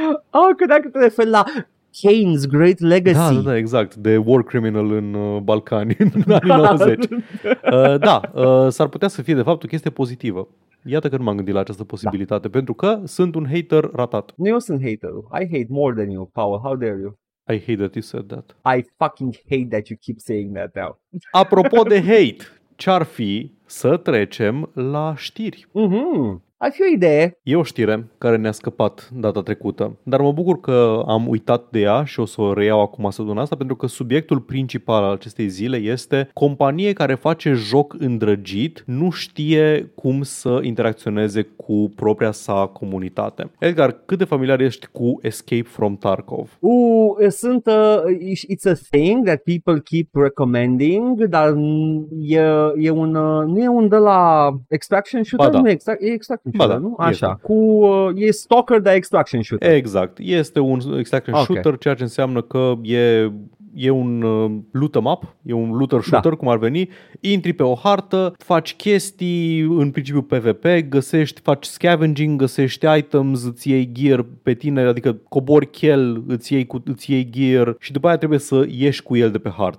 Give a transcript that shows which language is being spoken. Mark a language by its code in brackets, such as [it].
[ro] Oh, când am te referi la Kane's Great Legacy. Da, da, da, exact. De war criminal în Balcani în anii 90. S-ar putea să fie de fapt o chestie pozitivă. Iată că nu m-am gândit la această posibilitate, da. Pentru că sunt un hater ratat. Nu, eu sunt hater. [en] I hate more than you, Paul. How dare you? I hate that you said that. I fucking hate that you keep saying that now. [ro] Apropo de hate, ce-ar fi să trecem la știri? Mm-hmm. Ar fi o idee. E o știre care ne-a scăpat data trecută, dar mă bucur că am uitat de ea și o să o reiau acum săptămâna asta, pentru că subiectul principal al acestei zile este companie care face joc îndrăgit, nu știe cum să interacționeze cu propria sa comunitate. Edgar, cât de familiar ești cu Escape from Tarkov? [en] It's a thing that people keep recommending, [ro] dar nu e un de la Extraction Shooter? Ba da. E stalker de extraction shooter. Exact, este un extraction shooter, ceea ce înseamnă că e un loot-em-up, e un looter shooter, cum ar veni. Intri pe o hartă, faci chestii, în principiu PvP, găsești, faci scavenging, găsești items, îți iei gear pe tine, adică cobori chel, îți iei gear și după aia trebuie să ieși cu el de pe hartă.